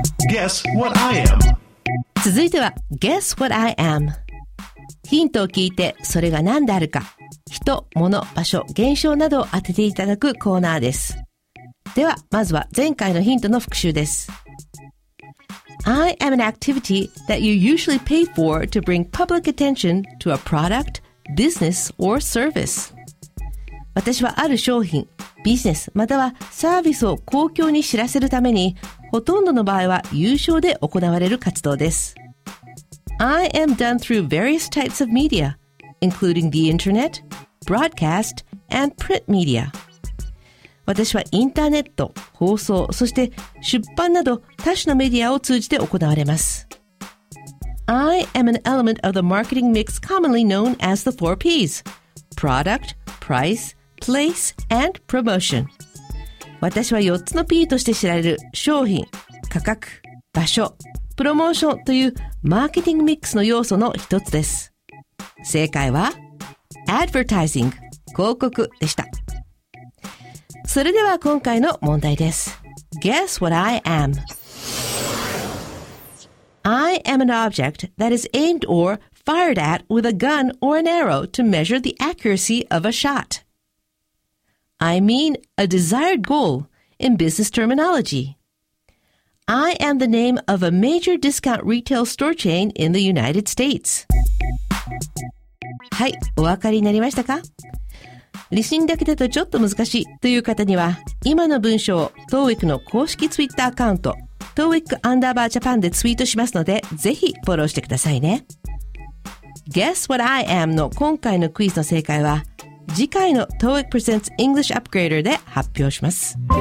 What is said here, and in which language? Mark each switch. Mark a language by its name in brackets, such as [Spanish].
[English] Guess what I am. [Japanese] 続いては [English] Guess what I am。 [Japanese] ヒントを聞いてそれが何であるか、人、物、場所、現象などを当てていただくコーナーです。ではまずは前回のヒントの復習です。 [English] I am an activity that you usually pay for to bring public attention to a product, business, or service. [Japanese] 私はある商品、ビジネスまたはサービスを公共に知らせるために、ほとんどの場合は有償で行われる活動です。 [English] I am done through various types of media, including the internet, broadcast, and print media. [Japanese] 私はインターネット、放送、そして出版など多種のメディアを通じて行われます。 [English] I am an element of the marketing mix commonly known as the four P's. Product, price, place, and promotion. [Japanese] 私は4つの P として知られる商品、価格、場所、プロモーションというマーケティングミックスの要素の一つです。正解は、Advertising、広告でした。それでは今回の問題です。 [English] Guess what I am? I am an object that is aimed or fired at with a gun or an arrow to measure the accuracy of a shot. I mean a desired goal in business terminology. I am the name of a major discount retail store chain in the United States. [Japanese] はい、お分かりになりましたか？リスニングだけだとちょっと難しいという方には、今の文章を TOEIC の公式 Twitter アカウントTOEIC アンダーバージャパンでツイートしますので、ぜひフォローしてくださいね。 [English] Guess what I am [Japanese] の今回のクイズの正解は、次回の TOEIC Presents English Upgrader で発表します。